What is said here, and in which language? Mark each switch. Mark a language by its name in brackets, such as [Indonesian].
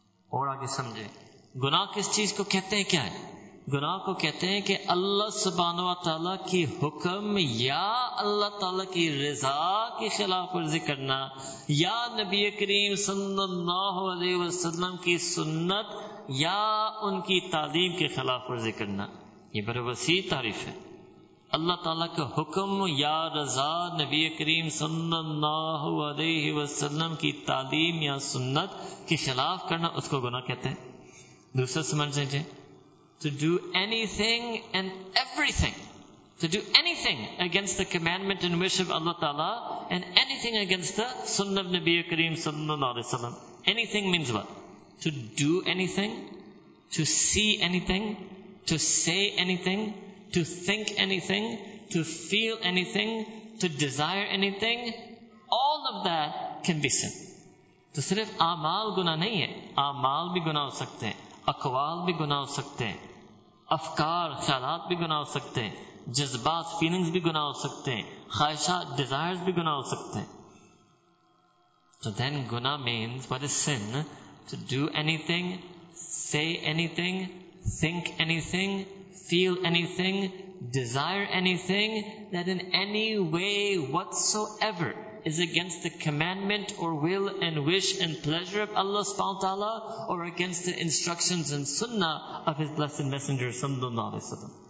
[Urdu] اور آگے سمجھے گناہ کس چیز کو کہتے ہیں, کیا ہے گناہ کو کہتے ہیں کہ اللہ سبحانہ و تعالیٰ کی حکم یا اللہ تعالیٰ کی رضا کی خلاف ورزی کرنا, یا نبی کریم صلی اللہ علیہ وسلم کی سنت یا ان کی تعلیم کے خلاف ورزی کرنا. یہ بڑے وسیع تعریف ہے, اللہ تعالیٰ کا حکم یا رضا, نبی کریم صلی اللہ علیہ وسلم کی تعلیم یا سنت کے خلاف کرنا, اس کو گناہ کہتے ہیں. دوسرا سمجھ لیجیے, [English] to do anything and everything, to do anything against the commandment and wish of Allah Ta'ala and anything against the sunnah of Nabi Kareem sallallahu alaihi wasallam. Anything means what? To do anything, to see anything, to say anything, to think anything, to feel anything, to desire anything, all of that can be sin. [Urdu] To sirf amal guna nahi hai, amal bhi guna ho sakte hain, اقوال بھی گناہ ہو سکتے ہیں, افکار خیالات بھی گناہ ہو سکتے ہیں, جذبات فیلنگز بھی گناہ ہو سکتے ہیں, خواہشات ڈیزائرز بھی گناہ ہو سکتے ہیں. تو دین [English] گناہ means what is sin, to do anything, say anything, think anything, feel anything, desire anything that in any way what so ever is against the commandment or will and wish and pleasure of Allah subhanahu wa ta'ala or against the instructions and sunnah of his blessed messenger sallallahu alaihi wasallam.